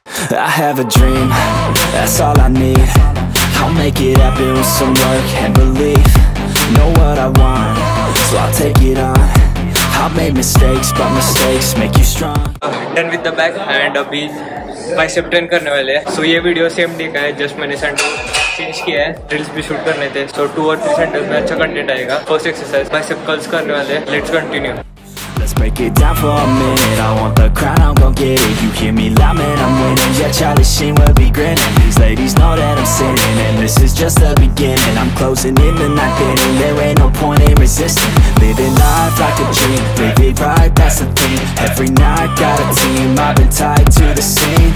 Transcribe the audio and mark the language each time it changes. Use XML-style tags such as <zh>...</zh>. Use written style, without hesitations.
<en>I have a dream, that's all I need. I'll make it happen with some work and belief. Know what I want, so I'll take it on. I've made mistakes, but mistakes make you strong. Done with the back and abhi bicep train</en> <hi>karne wale hai. So ye video same day ka hai, just maine sent change किया है, drills भी shoot करने थे. So 2 or 3 centres में अच्छा content आएगा. First exercise bicep curls करने वाले हैं.</hi> <en>Let's continue. Let's break it down for a minute. I want the crown, I'm gon' get it. You hear me loud, man, I'm winning. Yeah, Charlie Sheen will be grinning. These ladies know that I'm sinning, and this is just the beginning. I'm closing in the ninth inning. There ain't no point in resisting. Living life like a dream, live it right, that's the theme. Every night got a team, I've been tied to the scene.</en>